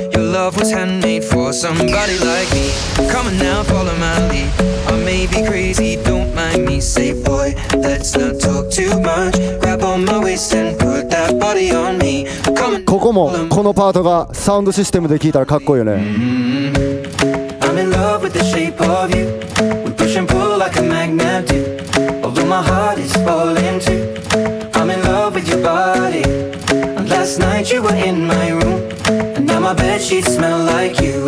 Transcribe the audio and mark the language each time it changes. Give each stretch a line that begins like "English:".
English: Your love was handmade for somebody like me. Come on now, follow my lead. I may be crazy, don't mind me. Say, boy, let's not talk too much. Grab on my waist and put that body on me. Come on.
Japanese: ここもこのパートがサウンドシステムで聞いたらかっこいいよね。
English: I'm in love with the shape of you. We push and pull like a magnet do. Although my heart is falling too, I'm in love with your body. And last night you were in my room, and now my bedsheets smell like you.